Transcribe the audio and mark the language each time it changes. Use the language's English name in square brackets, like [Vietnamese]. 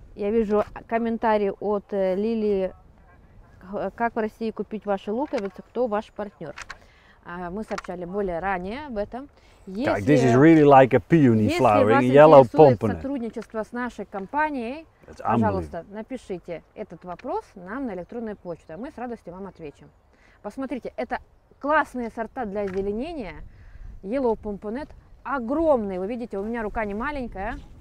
[Russian] Я вижу комментарий от Лили, как в России купить ваши луковицы, кто ваш партнер. Мы сообщали более ранее об этом. [English] Так, this is really like a peony flowering, yellow pompon. [Russian] Если вас интересует сотрудничество с нашей компанией, пожалуйста, напишите этот вопрос нам на электронную почту, а мы с радостью вам отвечем. Посмотрите, это классные сорта для озеленения, yellow pomponet, огромные, вы видите, у меня рука не маленькая.